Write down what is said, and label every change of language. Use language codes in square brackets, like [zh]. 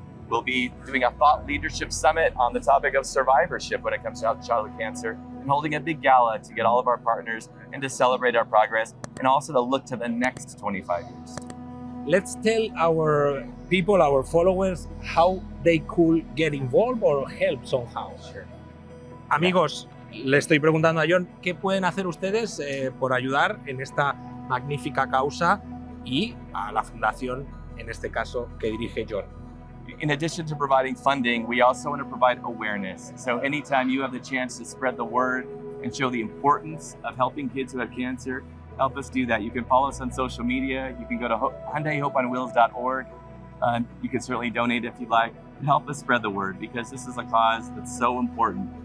[en] We'll be doing a thought leadership summit on the topic of survivorship when it comes to childhood cancer, and holding a big gala to get all of our partners and to celebrate our progress, and also to look to the next 25 years. Let's tell our people, our followers, how they could get involved or help somehow. Sure. [es] Amigos, le estoy preguntando a John, ¿qué pueden hacer ustedes por ayudar en esta magnífica causa y a la fundación, en este caso, que dirige John? [en] In addition to providing funding, we also want to provide awareness. So anytime you have the chance to spread the word and show the importance of helping kids who have cancer, help us do that. You can follow us on social media. You can go to HyundaiHopeOnWheels.org. You can certainly donate if you'd like. And help us spread the word, because this is a cause that's so important.